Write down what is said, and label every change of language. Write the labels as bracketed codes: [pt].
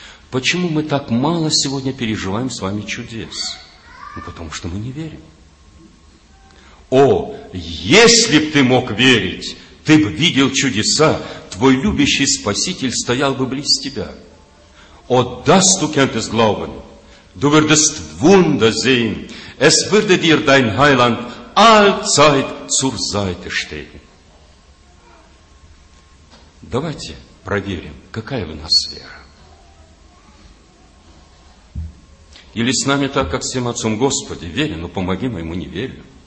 [ru] Почему мы так мало сегодня переживаем с вами чудес? Ну, потому что мы не верим. О, если б ты мог верить, ты бы видел чудеса, твой любящий Спаситель стоял бы близ тебя. [de] О, das du könntest glauben, du würdest Wunder sehen, es würde dir dein Heiland allzeit zur Seite stehen. [ru] Давайте проверим, какая в нас вера. Или с нами так, как с тем отцом, Господи, верю, но помоги моему неверию.